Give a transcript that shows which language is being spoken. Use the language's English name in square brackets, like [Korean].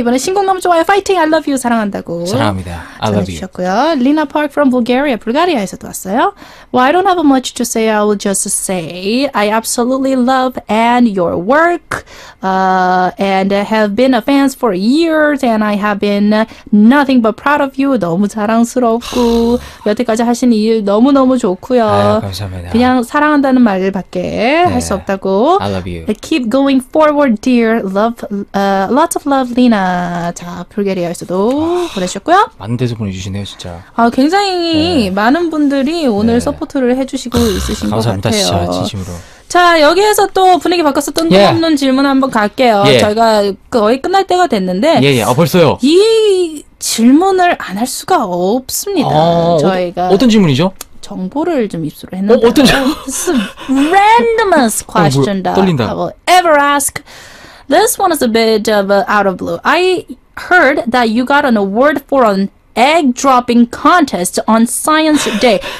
[Korean] 이번에 신곡 너무 좋아요. [English] Fighting. I love you. [Korean] 사랑한다고. 사랑합니다. [English] I love you. [Korean] 주셨고요. Lina Park [English] from Bulgaria. [Korean] 불가리아에서도 왔어요. [English] Well, I don't have much to say. I will just say I absolutely love and your work. And have been a fan for years. And I have been nothing but proud of you. [Korean] 너무 자랑스럽고. 여태까지 하신 일 너무너무 좋고요. 아유, 감사합니다. 그냥 사랑한다는 말밖에 네. 할 수 없다고. [English] I love you. Keep going forward, dear. Love, lots of love, Lina. [Korean] 자, 불게리아에서도 보내주셨고요. 많은 데서 보내주시네요, 진짜. 아, 굉장히 네. 많은 분들이 오늘 네. 서포트를 해주시고 있으신 감사합니다, 것 같아요. 감사합니다, 진짜 진심으로. 자, 여기에서 또 분위기 바꿔서 뜬금없는 예. 질문 한번 갈게요. 예. 저희가 거의 끝날 때가 됐는데. 예, 예. 아, 벌써요. 이 질문을 안 할 수가 없습니다. 아, 저희가 어떤 질문이죠? 정보를 좀 입수를 했는데. 어떤 [English] randomest question [Korean] 떨린다. [English] I will ever ask. This one is a bit of out of blue. I heard that you got an award for an egg dropping contest on Science Day.